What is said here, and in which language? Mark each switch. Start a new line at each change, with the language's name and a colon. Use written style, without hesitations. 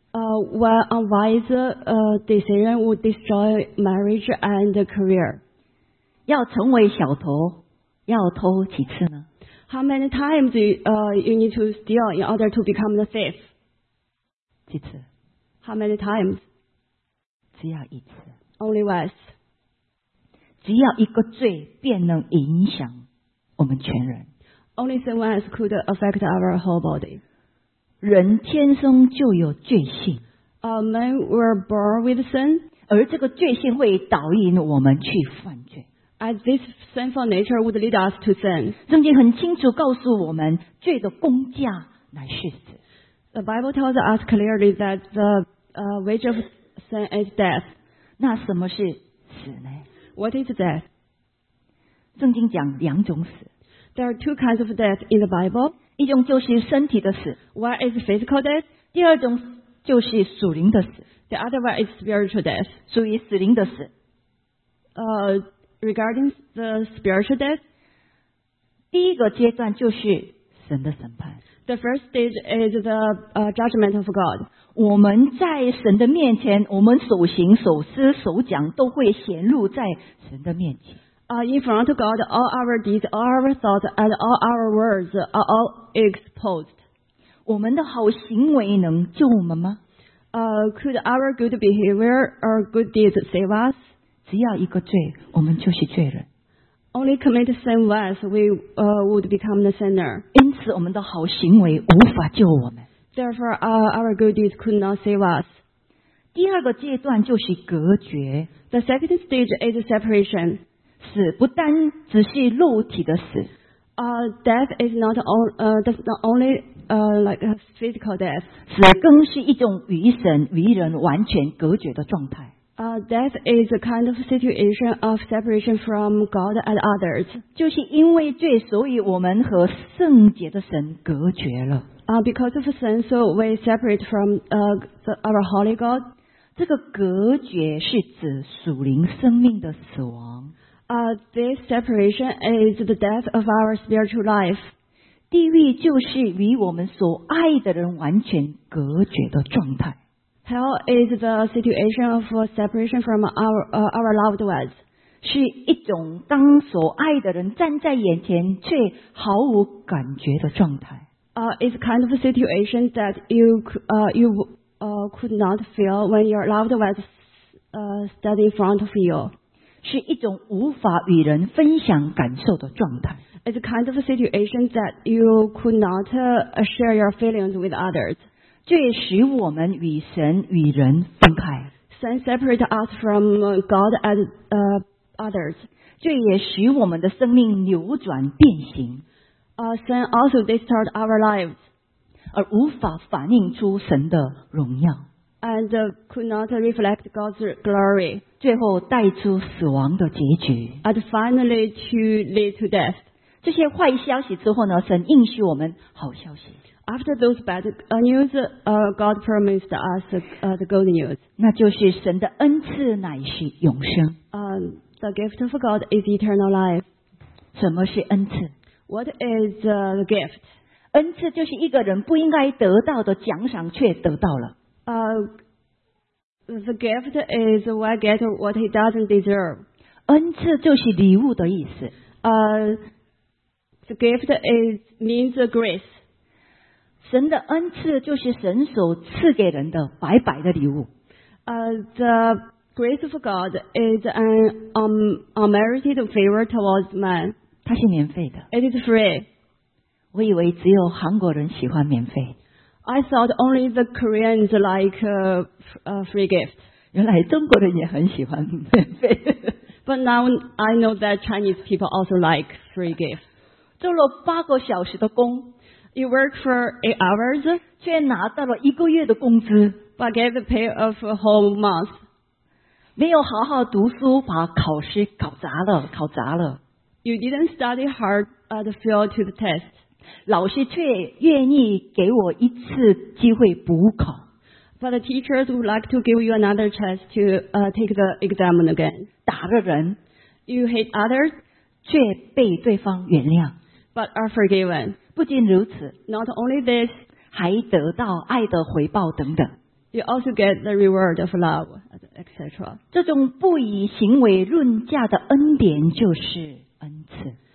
English: One unwise decision would destroy marriage and career.
Chinese: 要成为小偷，要偷几次呢？
English: How many times you need to steal in order to become the thief?
Chinese: 几次？
English: How many times?
Chinese: 只要一次。
English: Only once.
Chinese: 只要一个罪便能影响我们全人。
English: Only sin once could affect our whole body.
Chinese: 人天生就有罪性。
English: men were born with sin.
Chinese: 而这个罪性会导引我们去犯罪。
English: As this sinful nature would lead us to sin.
Chinese: 圣经很清楚告诉我们，罪的工价乃是死。
English: The Bible tells us clearly that the wage of sin is death.
Chinese: 那什么是死呢？
English: What is death?
Chinese: 圣经讲两种死。
English: There are two kinds of death in the Bible.
Chinese: 一种就是身体的死。
English: One is physical death.
Chinese: 第二种就是属灵的死。
English: The other one is spiritual death.
Chinese: 属于死灵的死。
English: Regarding the spiritual death,
Chinese: 第一个阶段就是神的审判。
English: The first stage is the judgment of God.
Chinese: 我们在神的面前，我们所行所思所讲都会显露在神的面前。
English: In front of God, all our deeds, all our thoughts, and all our words are all exposed.
Chinese: 我们的好行为能救我们吗？
English: Could our good behavior or good deeds save us?
Chinese: 只要一个罪，我们就是罪人。
English: Only commit sin once, we would become the sinner.
Chinese: 因此，我们的好行为无法救我们。
English: Therefore, our good deeds could not save us.
Chinese: 第二个阶段就是隔绝。
English: The second stage is separation.
Chinese: 死不单只是肉体的死。
English: Death is not only like a physical death.
Chinese: 死更是一种与神与人完全隔绝的状态。
English: Death is a kind of situation of separation from God and others.
Chinese: 就是因为罪，所以我们和圣洁的神隔绝了。
English: Because of sin, so we separate from our holy God.
Chinese: 这个隔绝是指属灵生命的死亡。
English: This separation is the death of our spiritual life.
Chinese: 地狱就是与我们所爱的人完全隔绝的状态。
English: Hell is the situation of separation from our loved ones.
Chinese: 是一种当所爱的人站在眼前却毫无感觉的状态。
English: It's kind of a situation that you could not feel when your loved ones stand in front of you.
Chinese: 是一种无法与人分享感受的状态。
English: It's a kind of a situation that you could not share your feelings with others.
Chinese: 罪使我们与神与人分开。
English: Sin separates us from God and others.
Chinese: 罪也使我们的生命扭转变形。
English: Sin also distorts our lives.
Chinese: 而无法反映出神的荣耀。
English: And could not reflect God's glory.
Chinese: 最后带出死亡的结局。
English: And finally to lead to death.
Chinese: 这些坏消息之后呢，神应许我们好消息。
English: After those bad news, God promised us the good news.
Chinese: 那就是神的恩赐乃是永生。
English: The gift of God is eternal life.
Chinese: 什么是恩赐？
English: What is the gift?
Chinese: 恩赐就是一个人不应该得到的奖赏却得到了。
English: The gift is we get what he doesn't deserve.
Chinese: 恩赐就是礼物的意思。
English: The gift is means grace.
Chinese: 神的恩赐就是神所赐给人的白白的礼物。
English: The grace of God is an unmerited favor towards man.
Chinese: 它是免费的。
English: It is free.
Chinese: 我以为只有韩国人喜欢免费。
English: I thought only the Koreans like a free gift.
Chinese: 原来中国人也很喜欢免费。
English: But now I know that Chinese people also like free gift.
Chinese: 做了八个小时的工。
English: You work for 8 hours.
Chinese: 却拿到了一个月的工资。
English: But get the pay of a whole month.
Chinese: 没有好好读书把考试搞砸了考砸了。
English: You didn't study hard to fail to the test.
Chinese: 老师却愿意给我一次机会补考。
English: But the teachers would like to give you another chance to take the exam again.
Chinese: 打了人。
English: You hate others.
Chinese: 却被对方原谅。
English: But are forgiven.
Chinese: 不仅如此。
English: Not only this.
Chinese: 还得到爱的回报等等。
English: You also get the reward of love, etc.
Chinese: 这种不以行为论价的恩典就是恩赐。